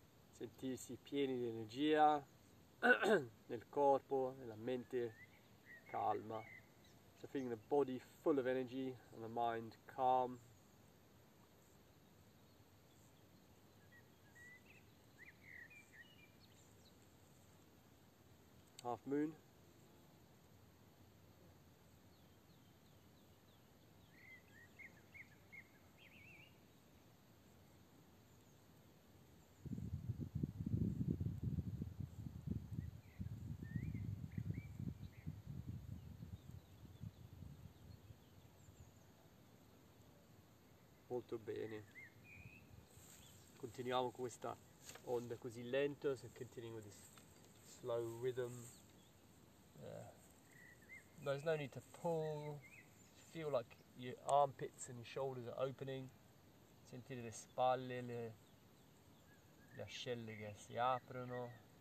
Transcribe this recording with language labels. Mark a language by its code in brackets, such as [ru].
[it] sentirsi pieni di energia nel corpo, nella mente calma. [en] So feeling the body full of energy and the mind calm. Half moon. [it] Molto bene. Continuiamo con questa onda così lenta, [en] so continuing with this slow rhythm. There's no need to pull. Feel like your armpits and your shoulders are opening. [it] Sentire le spalle, le ascelle che si aprono.